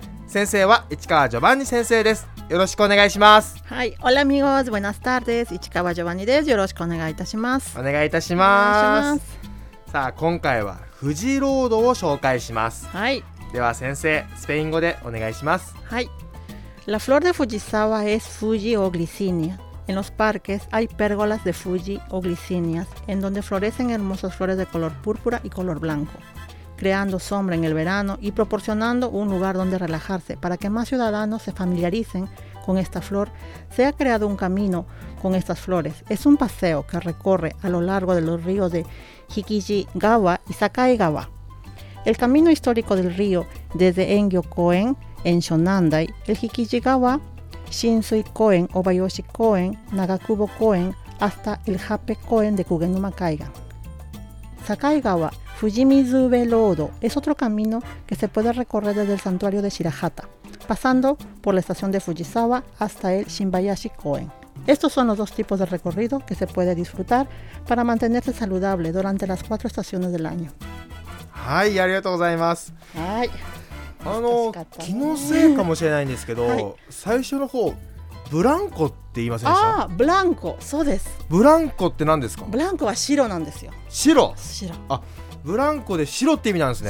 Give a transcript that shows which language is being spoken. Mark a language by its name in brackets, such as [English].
[Japanese] 先生は市川ジョバンニ先生です。よろしくお願いします。はい、オラミゴーズ、ブエナスタールです。市川ジョバンニです。よろしくお願いいたします。お願いいたします。さあ、今回はフジロードを紹介します。はい、では先生、スペイン語でお願いします。 [Spanish] はい、La flor de Fujisawa es Fuji o Glicinia. En los parques hay pérgolas de Fuji o Glicinias, en donde florecen hermosas flores de color púrpura y color blanco, creando sombra en el verano y proporcionando un lugar donde relajarse para que más ciudadanos se familiaricen con esta flor. Se ha creado un camino con estas flores. Es un paseo que recorre a lo largo de los ríos de Hikijigawa y Sakaigawa. El camino histórico del río desde Engyokoen en Shonandai, el Hikijigawa, Shinsui Koen, Obayoshi Koen, Nagakubo Koen, hasta el Hape Koen de Kugenuma Kaigan. Sakaigawa, Fujimizube Lodo, es otro camino que se puede recorrer desde el santuario de Shirahata, pasando por la estación de Fujisawa hasta el Shinbayashi Koen. Estos son los dos tipos de recorrido que se puede disfrutar para mantenerse saludable durante las cuatro estaciones del año. [Japanese] はい、ありがとうございます。はい。あの、気のせいかもしれないんですけど、はい、最初の方ブランコって言いませんでした？ああ、ブランコ、そうです。ブランコって何ですか？ブランコは白なんですよ。白、白、あ、ブランコで白って意味なんですね。